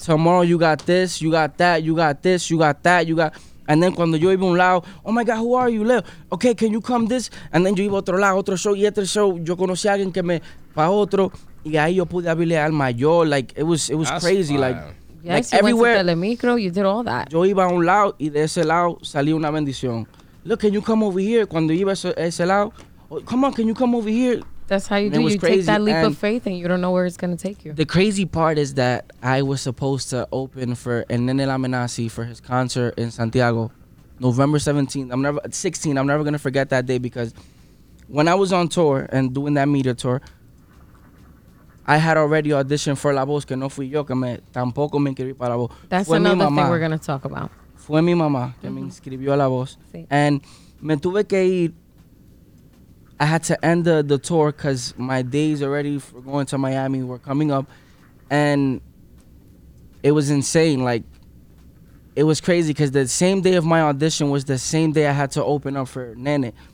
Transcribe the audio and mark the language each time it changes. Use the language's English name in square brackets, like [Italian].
[English] Tomorrow you got this, you got that, you got this, you got that, you got... And then [Spanish] cuando yo iba a un lado, [English] oh my God, who are you, Leo? Okay, can you come this? And then [Spanish] yo iba a otro lado, otro show, y otro show, yo conocí a alguien que me... Pa' otro, y ahí yo pude abrirle al mayor, [English] like, it was crazy, like... Yes, like you everywhere, went to Telemicro, you did all that. [Spanish] Yo iba a un lado, y de ese lado salió una bendición. [English] Look, can you come over here? [Spanish] Cuando iba a ese lado, [English] oh, come on, can you come over here? That's how you and do. You crazy. Take that leap and of faith and you don't know where it's going to take you. The crazy part is that I was supposed to open for El Nene La Menace for his concert in Santiago, November 17th. 16th. I'm never going to forget that day because when I was on tour and doing that media tour, I had already auditioned for La Voz, [Spanish] que no fui yo, que me tampoco me inscribí para La Voz. [English] That's fue another thing we're going to talk about. [Spanish] Fue mi mamá que me inscribió a La Voz. Sí. And me tuve que ir. [English] I had to end the tour because my days already for going to Miami were coming up. And it was insane. Like, it was crazy because the same day of my audition was the same day I had to open up for Nene.